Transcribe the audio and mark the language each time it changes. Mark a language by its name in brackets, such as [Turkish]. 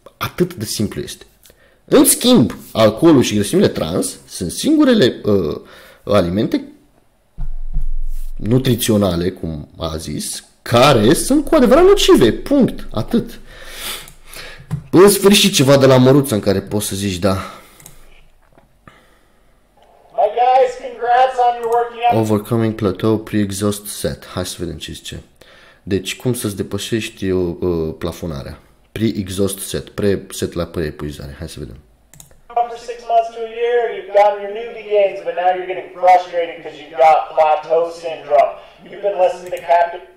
[Romanian] Atât de simplu este. În schimb, alcoolul și grăsimile trans sunt singurele alimente nutriționale, cum a zis, care sunt cu adevărat nocive. Punct. Atât. În sfârșit, ceva de la măruță în care poți să zici da. [English] My guys, congrats on your working out. Overcoming plateau pre-exhaust set. [Romanian] Hai să vedem ce zice. Deci, cum să-ți depășești plafonarea? Pre-exhaust set, pre-set la pre-epuizare. Hai să vedem. [English] After 6 months to a year, you've gotten your newbie gains, but now you're getting frustrated because you've got plateau syndrome. You've been listening to Captain...